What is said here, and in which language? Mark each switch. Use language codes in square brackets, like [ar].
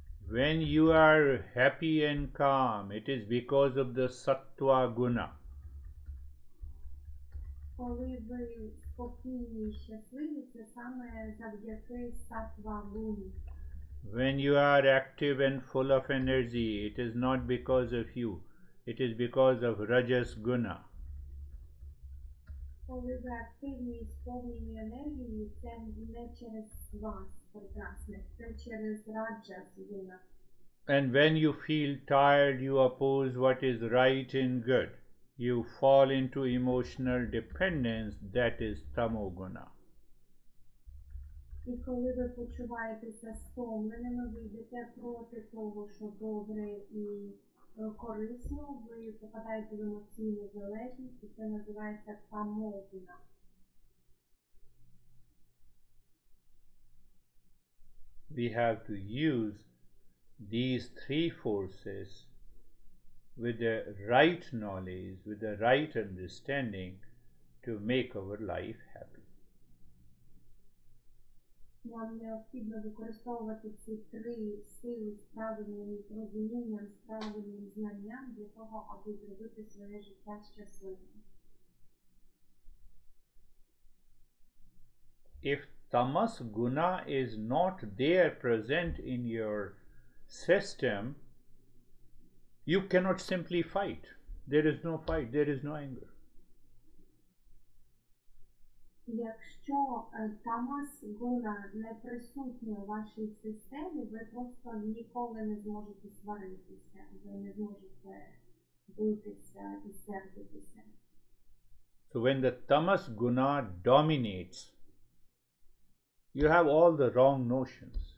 [en] When you are happy and calm, it is because of the sattva guna. [uk] Коли ви спокійні і щасливі, це саме завдяки сатва гуні. [en] When you are active and full of energy, it is not because of you, it is because of rajas guna. [uk] Коли ви активні і сповнені енергії, це не через вас прекрасне, це через раджас гуна. [en] And when you feel tired, you oppose what is right and good. You fall into emotional dependence, that is tamo guna. [uk] І коли ви почуваєтеся стомленим, ви йдете проти того, що добре і корисно, ви попадаєте в емоційну залежність, і це називається тамогуна. [en] We have to use these three forces with the right knowledge, with the right understanding to make our life happy. [uk] Нам необхідно використовувати ці три сили з правильним розумінням, з правильним знанням для того, аби зробити своє життя щасливим. [en] If tamas guna is not there present in your system, you cannot simply fight. There is no fight, there is no anger. [uk] Якщо тамас гуна не присутня у вашій системі, ви просто ніколи не зможете сваритися, ви не зможете битися і сердитися. [en] So when the tamas guna dominates, you have all the wrong notions.